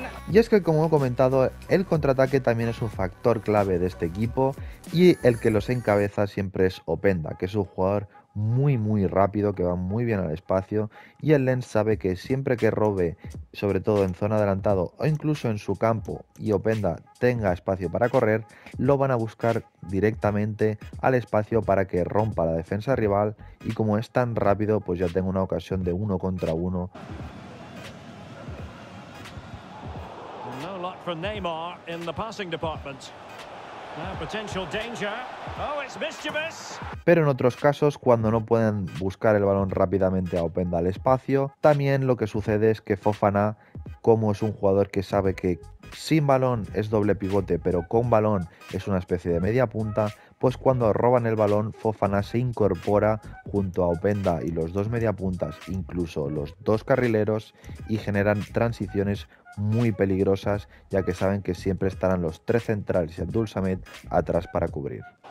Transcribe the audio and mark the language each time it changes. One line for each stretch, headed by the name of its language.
Spanish: Y es que, como he comentado, el contraataque también es un factor clave de este equipo, y el que los encabeza siempre es Openda, que es un jugador muy muy rápido, que va muy bien al espacio, y el Lens sabe que siempre que robe, sobre todo en zona adelantado o incluso en su campo, y Openda tenga espacio para correr, lo van a buscar directamente al espacio para que rompa la defensa rival, y como es tan rápido, pues ya tengo una ocasión de uno contra uno.
English: From Neymar in the passing department. Now potential danger. Oh, it's mischievous.
Spanish: Pero en otros casos, cuando no pueden buscar el balón rápidamente a Openda al espacio, también lo que sucede es que Fofana, como es un jugador que sabe que sin balón es doble pivote, pero con balón es una especie de media punta, pues cuando roban el balón, Fofana se incorpora junto a Openda y los dos media puntas, incluso los dos carrileros, y generan transiciones muy peligrosas, ya que saben que siempre estarán los tres centrales y Abdul Samed atrás para cubrir.